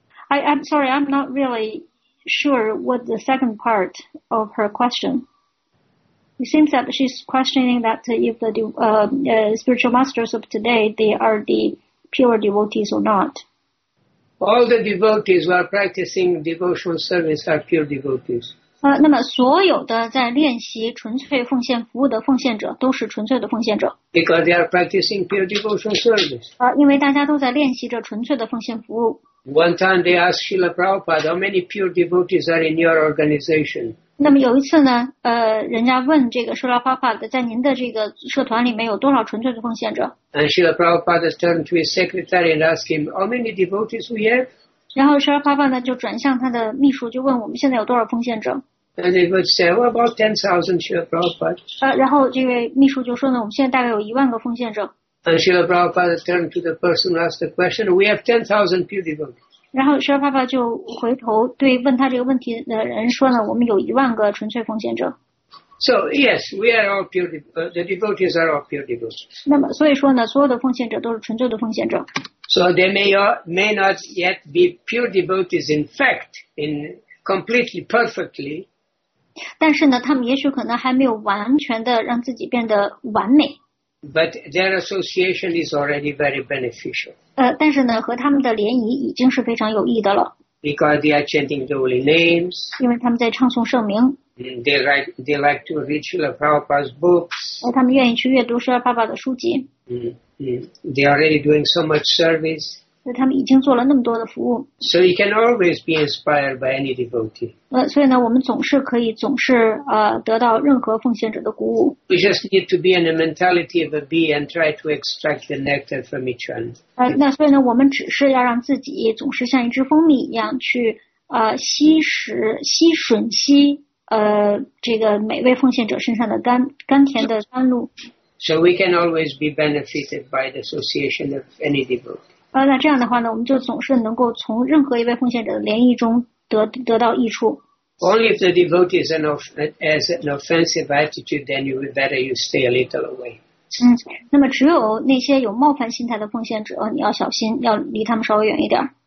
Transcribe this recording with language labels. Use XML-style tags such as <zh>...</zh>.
<en>I'm sorry, I'm not really sure what the second part of her question. It seems that she's questioning that if the spiritual masters of today, they are the pure devotees or not. All the devotees who are practicing devotional service are pure devotees.</en> <zh>那么所有的在练习纯粹奉献服务的奉献者都是纯粹的奉献者。</zh> <en>Because they are practicing pure devotional service.</en> <zh>因为大家都在练习着纯粹的奉献服务。</zh> <en>One time they asked Srila Prabhupada, how many pure devotees are in your organization?</en> <zh>那么有一次呢，人家问这个 Srila Prabhupada, 在您的这个社团里面有多少纯粹的奉献者。</zh> <en>And Srila Prabhupada turned to his secretary and asked him, how many devotees we have?</en> <zh>然后 Srila Prabhupada 就转向他的秘书，就问我们现在有多少奉献者。</zh> <en>And they would say, well, about 10,000, Srila Prabhupada.</en> <zh>然后这位秘书就说呢，我们现在大概有10,000个奉献者。</zh> <en>And Srila Prabhupada turned to the person who asked the question, we have 10,000 pure devotees.</en> <zh>然后 Srila Prabhupada 就回头对问他这个问题的人说呢，我们有10,000个纯粹奉献者。</zh> <en>So yes, we are all pure the devotees are all pure devotees.</en> <zh>那么所以说呢，所有的奉献者都是纯粹的奉献者。</zh> <en>So they may not yet be pure devotees in fact, in completely perfectly.</en> <zh>但是呢，他们也许可能还没有完全的让自己变得完美。</zh> <en>But their association is already very beneficial.</en> <zh>但是呢，和他们的联谊已经是非常有益的了。</zh> <en>Because they are chanting the holy names.</en> <zh>因为他们在唱诵圣名。</zh> <en>They like to read Srila Prabhupada's books.</en> <zh>他们愿意去阅读 Srila Prabhupada 的书籍。</zh> <en>They are already doing so much service.</en> <zh>他们已经做了那么多的服务。</zh> <en>So you can always be inspired by any devotee.</en> <zh>所以呢，我们总是可以总是得到任何奉献者的鼓舞。</zh> <en>We just need to be in the mentality of a bee and try to extract the nectar from each one.</en> <zh>那所以呢，我们只是要让自己总是像一只蜂蜜一样去吸吮这个每位奉献者身上的甘甜的甘露。</zh> <en>So we can always be benefited by the association of any devotee.</en> <zh>那这样的话呢，我们就总是能够从任何一位奉献者的联谊中 得到益处。</zh> <en>Only if the devotee is an offensive attitude, then you better you stay a little away.</en> <zh>那么只有那些有冒犯心态的奉献者，你要小心，要离他们稍微远一点。</zh>